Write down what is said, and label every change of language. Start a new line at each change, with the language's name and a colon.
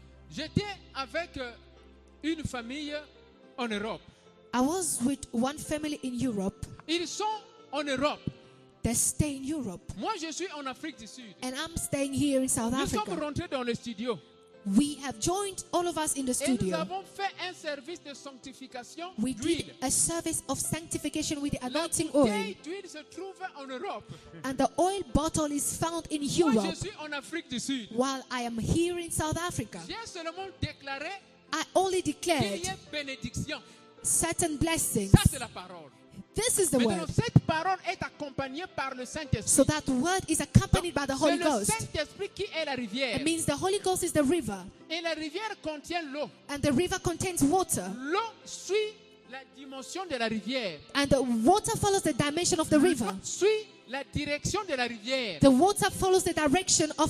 French: J'étais avec une famille en Europe.
English: I was with one family in Europe.
French: Ils sont en Europe.
English: They stay in Europe.
French: Moi, je suis en Afrique du Sud.
English: And I'm staying here in South
French: nous
English: Africa.
French: Sommes rentrés dans le studio.
English: We have joined all of us in the studio.
French: Et nous avons fait un service de sanctification
English: we
French: d'huile.
English: Did a service of sanctification with the
French: la
English: anointing oil.
French: D'huile se trouve en Europe.
English: And the oil bottle is found in
French: moi,
English: Europe.
French: Je suis en Afrique du Sud.
English: While I am here in South Africa.
French: J'ai seulement déclaré,
English: I only declared
French: qu'il y ait bénédiction,
English: certain blessings.
French: Ça, c'est la parole.
English: This is the
French: maintenant,
English: word.
French: Cette parole est accompagnée par le Saint-Esprit.
English: So that word is accompanied
French: donc,
English: by the Holy
French: c'est le
English: Ghost.
French: Saint-Esprit qui est la rivière.
English: It means the Holy Ghost is the river.
French: Et la rivière contient l'eau.
English: And the river contains water.
French: L'eau suit la dimension de la rivière.
English: And the water follows the dimension of the river.
French: L'eau suit la direction de la rivière.
English: The water follows the direction of